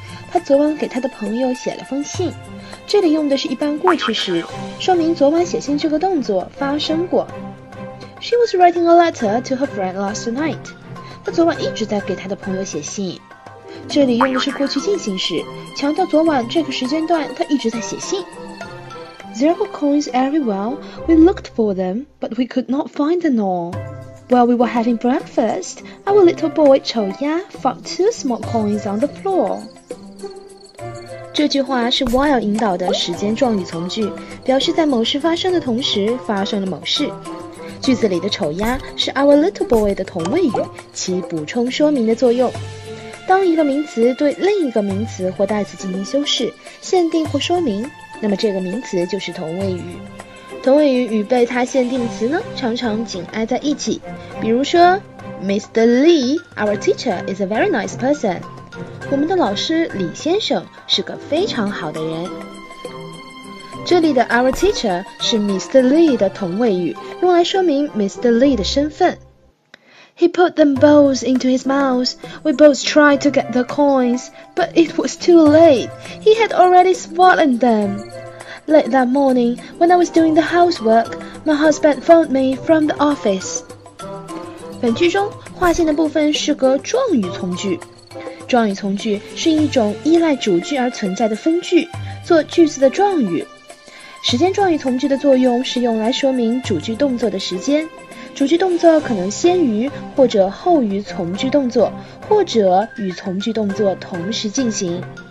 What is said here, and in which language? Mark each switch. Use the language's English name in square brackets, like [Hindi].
[Chinese] 她昨晚给她的朋友写了封信，这里用的是一般过去时，说明昨晚写信这个动作发生过。 [English] She was writing a letter to her friend last night. [Chinese] 她昨晚一直在给她的朋友写信，这里用的是过去进行时，强调昨晚这个时间段他一直在写信。 [English] There were coins everywhere. We looked for them, but we could not find them all. While we were having breakfast, our little boy 丑鸭 found two small coins on the floor. [Chinese] 这句话是 while 引导的时间状语从句，表示在某事发生的同时发生了某事。句子里的丑鸭是 our little boy 的同位语，起补充说明的作用。当一个名词对另一个名词或代词进行修饰、限定或说明，那么这个名词就是同位语。同位语与被它限定词呢，常常紧挨在一起。比如说 ，Mr. [English] Lee, our teacher, is a very nice person. [Chinese] 我们的老师李先生是个非常好的人。这里的 our teacher 是 Mr. Lee 的同位语，用来说明 Mr. Lee 的身份。 [English] He put them both into his mouth. We both tried to get the coins, but it was too late. He had already swallowed them. Late that morning, when I was doing the housework, my husband phoned me from the office. [Chinese] 本句中划线的部分是个状语从句。状语从句是一种依赖主句而存在的分句，做句子的状语。时间状语从句的作用是用来说明主句动作的时间。主句动作可能先于或者后于从句动作，或者与从句动作同时进行。